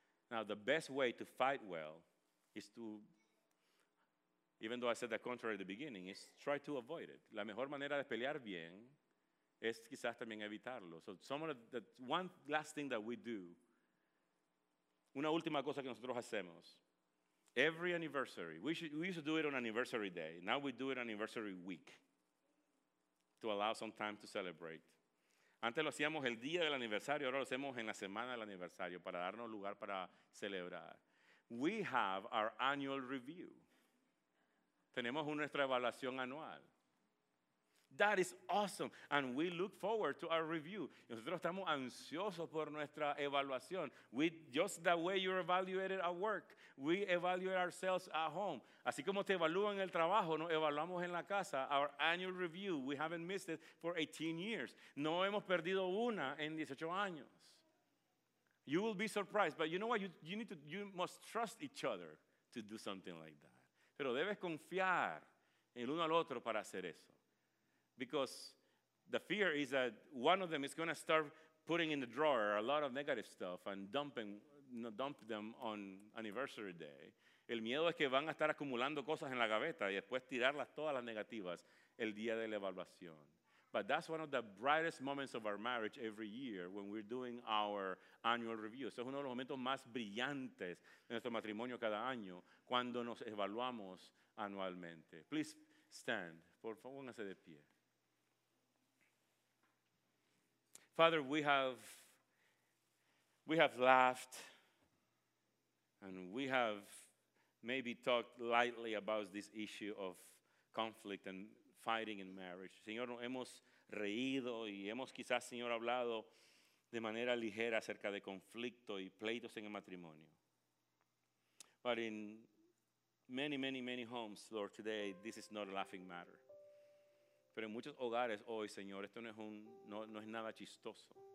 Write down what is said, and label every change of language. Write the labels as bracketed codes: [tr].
[en] Now, the best way to fight well is to, even though I said the contrary at the beginning, is try to avoid it. [es] La mejor manera de pelear bien es quizás también evitarlo. [en] So one last thing that we do, [es] una última cosa que nosotros hacemos, [en] every anniversary, we used to do it on anniversary day, now we do it anniversary week to allow some time to celebrate. [es] Antes lo hacíamos el día del aniversario, ahora lo hacemos en la semana del aniversario para darnos lugar para celebrar. [en] We have our annual review. [es] Tenemos nuestra evaluación anual. [en] That is awesome. And we look forward to our review. [es] Nosotros estamos ansiosos por nuestra evaluación. [en] We, just the way you're evaluated at work, we evaluate ourselves at home. [es] Así como te evalúan en el trabajo, nos evaluamos en la casa. [en] Our annual review, we haven't missed it for 18 years. [es] No hemos perdido una en 18 años. [en] You will be surprised. But you know what? You must trust each other to do something like that. [es] Pero debes confiar el uno al otro para hacer eso. [en] Because the fear is that one of them is going to start putting in the drawer a lot of negative stuff and dump them on anniversary day. [es] El miedo es que van a estar acumulando cosas en la gaveta y después tirarlas todas las negativas el día de la evaluación. [en] But that's one of the brightest moments of our marriage every year when we're doing our annual review. [es] Eso es uno de los momentos más brillantes de nuestro matrimonio cada año cuando nos evaluamos anualmente. [en] Please stand. [es] Por favor, pónganse de pie. [en] Father, we have laughed and we have maybe talked lightly about this issue of conflict and fighting in marriage. [es] Señor, hemos reído y hemos quizás, Señor, hablado de manera ligera acerca de conflicto y pleitos en el matrimonio. [en] But in many, many, many homes, Lord, today, this is not a laughing matter. [es] Pero en muchos hogares hoy, Señor, esto no es nada chistoso.